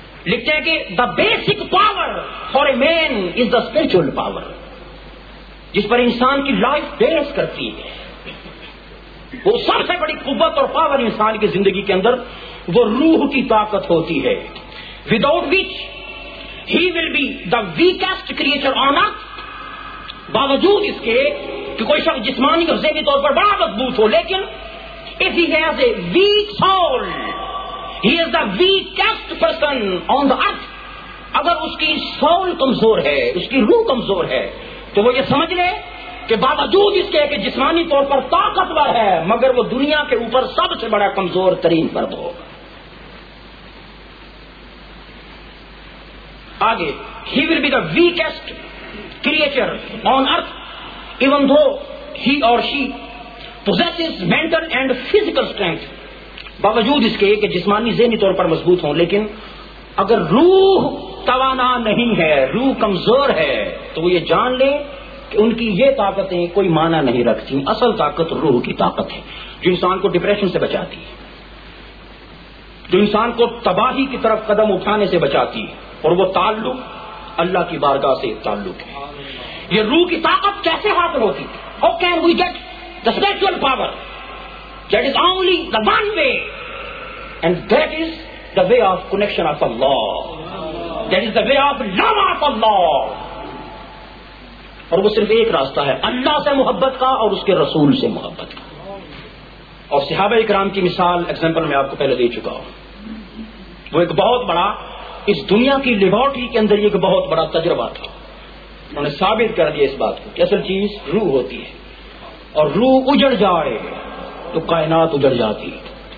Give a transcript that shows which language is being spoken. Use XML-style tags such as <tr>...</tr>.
<ur>لکھتے ہیں کہ</ur> <en>the basic power for a man is the spiritual power,</en> <ur>جس پر انسان کی لائف بیس کرتی ہے. وہ سب سے بڑی قوت اور پاور انسان کی زندگی کے اندر وہ روح کی طاقت ہوتی ہے.</ur> <en>Without which he will be the weakest creature on earth.</en> <ur>باوجود اس کے کہ کوئی شخص جسمانی اور ذہنی طور پر بڑا مضبوط ہو, لیکن</ur> <en>if he has a weak soul, he is the weakest person on the earth.</en> <ur>اگر اس کی سول کمزور ہے, اس کی روح کمزور ہے, تو وہ یہ سمجھ لے کہ باوجود اس کے کہ جسمانی طور پر طاقتور ہے, مگر وہ دنیا کے اوپر سب سے بڑا کمزور ترین فرد ہوگا. آگے,</ur> <en>he will be the weakest creature on earth, even though he or she possesses mental and physical strength,</en> <ur>باوجود اس کے کہ جسمانی ذہنی طور پر مضبوط ہوں, لیکن اگر روح توانا نہیں ہے, روح کمزور ہے, تو وہ یہ جان لے کہ ان کی یہ طاقتیں کوئی معنی نہیں رکھتی. اصل طاقت روح کی طاقت ہے جو انسان کو ڈپریشن سے بچاتی ہے, جو انسان کو تباہی کی طرف قدم اٹھانے سے بچاتی ہے, اور وہ تعلق اللہ کی بارگاہ سے تعلق ہے. یہ روح کی طاقت کیسے حاصل ہوتی ہے؟</ur> <en>How can we get the spiritual power? That is only the one way, and that is the way of connection of Allah. That is the way of love of Allah.</en> <ur>اور وہ صرف ایک راستہ ہے, اللہ سے محبت کا اور اس کے رسول سے محبت کا. اور صحابہ اکرام کی مثال ایگزامپل میں آپ کو پہلے دے چکا ہوں. وہ ایک بہت بڑا, اس دنیا کی لیبورٹری کے اندر ایک بہت بڑا تجربہ تھا. انہوں نے ثابت کر دیا اس بات کو کہ اصل چیز روح ہوتی ہے, اور روح اجڑ جائے تو کائنات اجڑ جاتی ہے.</ur>